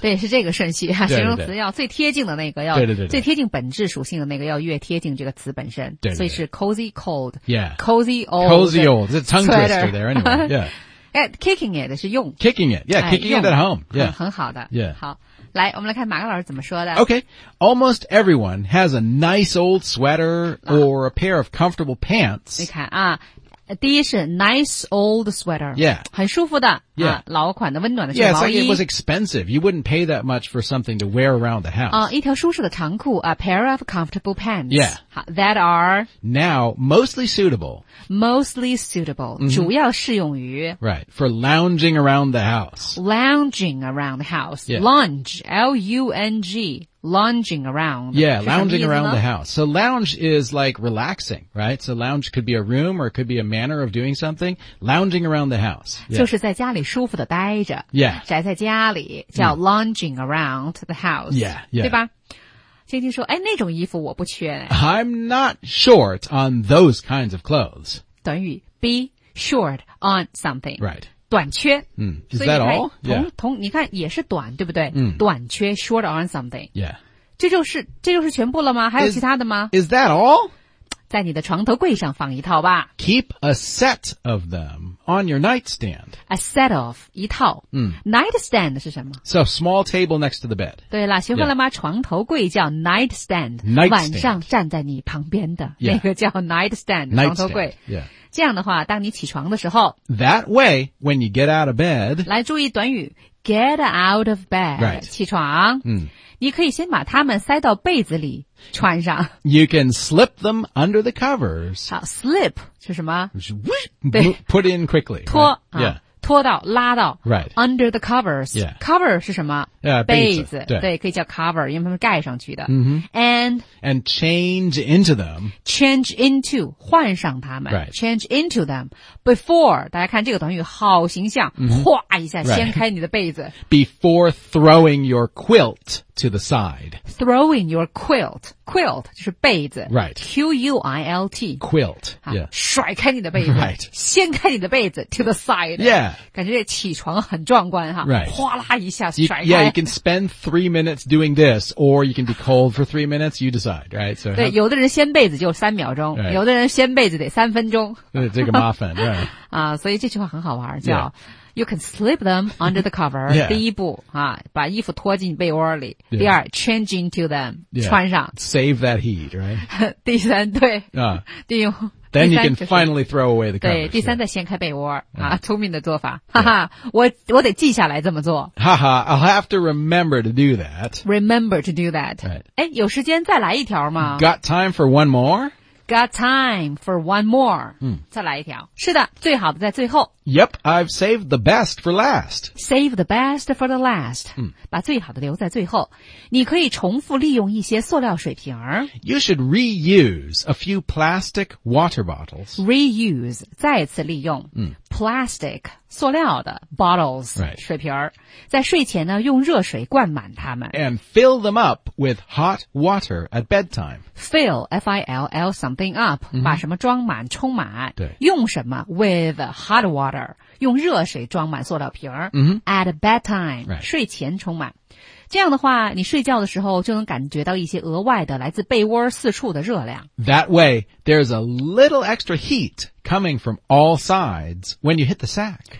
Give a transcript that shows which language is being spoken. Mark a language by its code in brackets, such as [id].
[zh] 对,是这个顺序啊, 形容词要最贴近的那个要, 对对对对, 最贴近本质属性的那个, 要越贴近这个词本身, 对对对, 所以是 [en] cozy cold, yeah, cozy old, cozy old, it's a tongue twister there anyway, yeah. At kicking it [zh] 是用, [en] kicking it, yeah, kicking it at home, yeah. [zh] 很好的, [en] yeah. [zh] 好, 来, 我们来看马格老师怎么说的。 [en] Okay, almost everyone has a nice old sweater or a pair of comfortable pants. [zh] 你看啊, 第一是 [en] nice old sweater. Yeah. [zh] 很舒服的, [en] yeah. [zh] 老款的温暖的, [en] yeah, [zh] 毛衣。 [en] Yeah, it's like it was expensive. You wouldn't pay that much for something to wear around the house. [zh] 一条舒适的长裤, [en] a pair of comfortable pants. Yeah. That are now mostly suitable. Mostly suitable. Mm-hmm. [zh] 主要适用于, [en] right, for lounging around the house. Lounging around the house. Yeah. Lounge, L-U-N-G. lounging around. Yeah, lounging around the house. So lounge is like relaxing, right? So lounge could be a room or it could be a manner of doing something. Lounging around the house. Yeah. [zh] 就是在家里舒服的待着。 [en] Yeah. [zh] 宅在家里叫 [en] lounging around the house. Yeah, yeah. [zh] 对吧？晶晶说，哎，那种衣服我不缺。 [en] I'm not short on those kinds of clothes. [zh] 短语 be short on something. [en] Right. [zh] 短缺、 [en] 嗯、Is that all? [zh] 同你看也是短对不对、嗯、短缺 short on something、 [en] yeah. [zh] 这就是全部了吗还有其他的吗 [en] is that all? [zh] 在你的床头柜上放一套吧 [en] Keep a set of them on your nightstand [zh] A set of 一套、嗯、 Nightstand 是什么 [en] So small table next to the bed [zh] 对了学会了吗、yeah. 床头柜叫 nightstand, [en] nightstand [zh] 晚上站在你旁边的、 [en] yeah. [zh] 那个叫 nightstand, [en] nightstand [zh] 床头柜、 [en] yeah. [zh] 这样的话当你起床的时候 [en] That way, when you get out of bed [zh] 来注意短语 [en] Get out of bed、 right. [zh] 起床、嗯、你可以先把它们塞到被子里穿上 [en] You can slip them under the covers [zh] 好 slip 是什么 [en] 对 Put in quickly [zh] 拖、 [en] right? [zh] 啊 yeah. 拖到拉到、 [en] right. Under the covers、 yeah. [zh] Cover 是什么、 [en] yeah, [zh] 被子对, 对可以叫 cover 因为它们盖上去的、 mm-hmm. [en] And change into them Change into [zh] 换上它们、 [en] right. Change into them Before [zh] 大家看这个短语好形象、 mm-hmm. 哗一下掀开你的被子、 [en] right. Before throwing your quilt to the side Throwing your quilt Quilt [zh] 就是被子、 [en] right. Q-U-I-L-T Quilt、yeah. [zh] 甩开你的被子、 [en] right. [zh] 掀开你的被子 [en] To the side、 yeah. [zh] 感觉这起床很壮观、 [en] right. [zh] 哗啦一下甩开 [en] yeah, you can spend 3 minutes doing this Or you can be cold for 3 minutes You decide, right? [zh] So 对有的人掀被子就三秒钟、 [en] right. [zh] 有的人掀被子得三分钟这个麻烦对、right. 所以这句话很好玩叫、 [en] yeah. You can slip them under the cover 、yeah. [zh] 第一步、啊、把衣服拖进被窝里、 [en] yeah. [zh] 第二 [en] change into them、 yeah. [zh] 穿上 [en] Save that heat, right? [zh] 第三对、第一 [en] Then you can、 [zh] 就是、 [en] finally throw away the covers [zh] 对第三再掀开被窝、 [en] yeah. [zh] 啊、聪明的做法、yeah. 哈哈我得记下来这么做 [en] 哈哈 I'll have to remember to do that Remember to do that、 right. [zh] 有时间再来一条吗 [en] Got time for one more? Got time for one more、嗯、 [zh] 再来一条是的最好的在最后 [en] Yep, I've saved the best for last. Save the best for the last.、嗯、 [zh] 把最好的留在最后。你可以重复利用一些塑料水瓶。 [en] You should reuse a few plastic water bottles. [zh] Reuse, 再次利用、嗯、 plastic, 塑料的 bottles,、 [en] right. [zh] 水瓶。在睡前呢用热水灌满它们。 [en] And fill them up with hot water at bedtime. Fill, F-I-L-L something up,、嗯、 [zh] 把什么装满充满。对。用什么 [en] with hot water. [zh] 用热水装满塑料瓶、 mm-hmm. [en] at bedtime、 right. [zh] 睡前充满这样的话你睡觉的时候就能感觉到一些额外的来自被窝四处的热量 [en] That way there's a little extra heat coming from all sides when you hit the sack